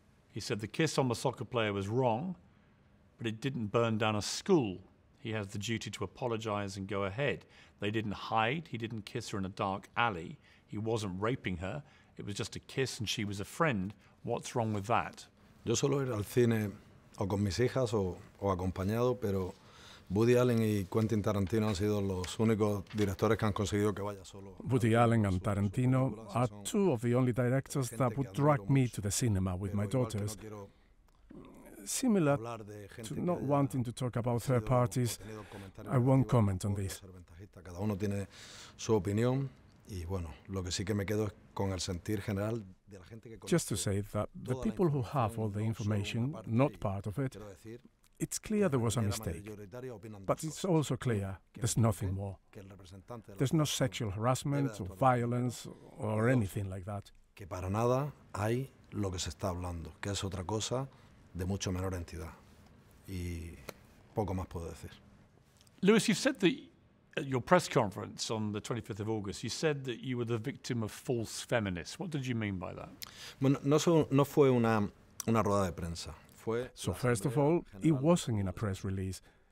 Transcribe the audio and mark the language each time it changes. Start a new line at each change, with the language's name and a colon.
English: He said the kiss on the soccer player was wrong, but it didn't burn down a school. He has the duty to apologize and go ahead. They didn't hide. He didn't kiss her in a dark alley. He wasn't raping her. It was just a kiss and she was a friend. What's wrong with that?
Spanish: Yo solo ir al cine o con mis hijas o acompañado, pero Woody Allen y Quentin Tarantino han sido los únicos directores que han conseguido que vaya solo.
English: Woody Allen and Tarantino are two of the only directors that would drag me to the cinema with my daughters. Similar to not wanting to talk about third parties, I won't comment on this.
Spanish: Cada uno tiene su opinión y bueno, lo que sí que me quedo es con el sentir general de la gente que.
English: Just to say that the people who have all the information, not part of it, it's clear there was a mistake. But it's also clear there's nothing more. There's no sexual harassment or violence or anything like that.
Spanish: Que para nada hay lo que se está hablando, que es otra cosa. De mucho menor entidad. Y poco más puedo decir.
English: Lewis, you said that at your press conference on the 25th of August, you said that you were the victim of false feminists. What did you mean by that? So first of all, it wasn't in a press release.